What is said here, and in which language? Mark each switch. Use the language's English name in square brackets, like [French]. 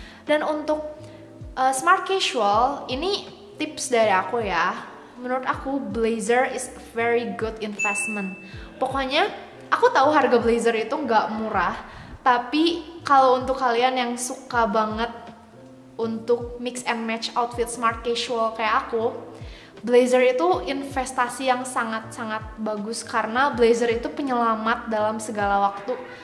[Indonesian] Dan untuk smart casual ini tips dari aku ya. Menurut aku [English] blazer is very good investment. [Indonesian] Pokoknya aku tahu harga blazer itu nggak murah, tapi kalau untuk kalian yang suka banget untuk mix and match outfit smart casual kayak aku, blazer itu investasi yang sangat-sangat bagus karena blazer itu penyelamat dalam segala waktu.